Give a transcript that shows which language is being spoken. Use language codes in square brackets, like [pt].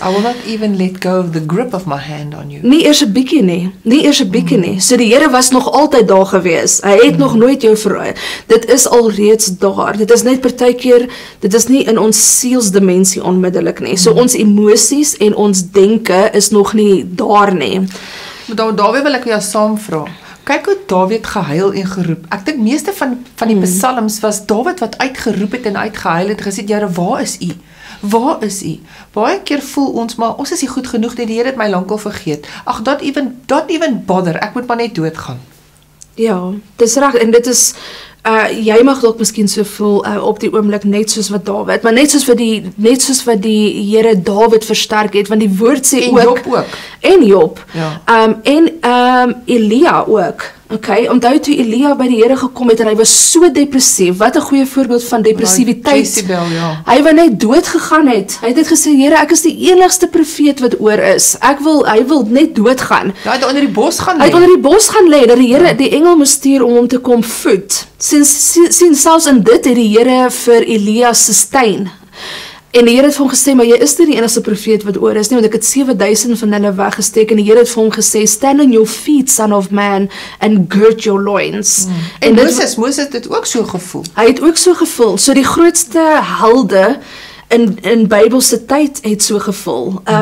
[en] I will not even let go of the grip of my hand on you. [af] Nie eers een bykie nie. So die Here was nog altyd daar gewees. Hy het nog nooit jou verraai. Dit is al reeds daar. Dit is net partykeer, dit is nie in ons sielsdimensie onmiddellik nie. So ons emoties en ons denke is nog nie daar nie. Daarweer wil ek jou saamvra. Kyk hoe Dawid gehuil en geroep. Ek dink meeste van die psalms was Dawid wat uitgeroep het en uitgehuil het, gesê, Here, waar is u? Waar is u? Baie keer voel ons, maar ons is nie goed genoeg, die Here het my lankal vergeet. Ag, dat [en] even bother, [af] ek moet maar net doodgaan. Ja, dis reg, en dit is, jy mag dalk miskien so voel op die oomblik, net soos wat Dawid, maar net soos wat die Here Dawid versterk het, want die woord sê ook, en Job ook, en Job, ja. Elia ook, okay, onthou toe Elia by die Here gekom het, en hy was so depressief, wat een goeie voorbeeld van depressiviteit, [en] like Jezebel, [af] ja. Hy wat net dood gegaan het, hy het gesê, Here, ek is die enigste profeet wat oor is, hy wil net dood gaan, ja, hy het onder die bos gaan lê, dat die Here, die engel moest stuur om hom te kom voed, sien selfs in dit het die Here vir Elia sustain, en die Here het vir hom gesê, maar jy is nie die enigste profeet wat oor is nie, want ek het 7000 van hulle weggesteek, en die Here het vir hom gesê, [en] stand on your feet, son of man, and gird your loins. [af] En Moses het dit ook so gevoel. Hy het ook so gevoel, so die grootste helde in Bybelse tyd het so gevoel.